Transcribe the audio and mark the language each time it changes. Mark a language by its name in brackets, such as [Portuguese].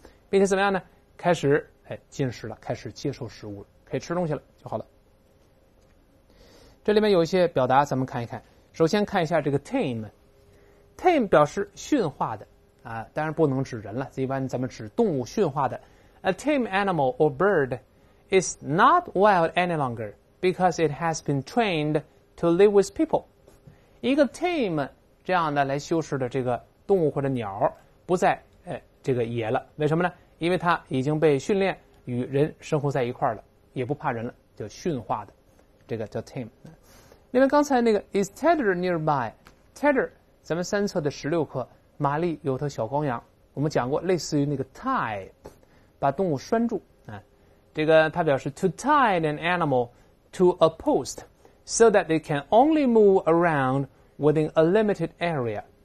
[Chinese] 并且怎么样呢，开始进食了，开始接受食物了，可以吃东西了就好了。这里面有一些表达咱们看一看，首先看一下这个 tame 表示驯化的啊，当然不能指人了，一般咱们指动物驯化的。 [English] A tame animal or bird is not wild any longer because it has been trained to live with people. [Chinese] 一个 tame 这样的来修饰的这个动物或者鸟不再这个野了，为什么呢？因为它已经被训练与人生活在一块了，也不怕人了，就驯化的，这个叫 tame。另外刚才那个 [English] is tethered nearby， [Chinese] tethered 咱们三侧的16克玛丽有头小羔羊，我们讲过类似于那个 tie， 把动物拴住、啊、这个它表示 [English] to tie an animal to a post so that it can only move around within a limited area，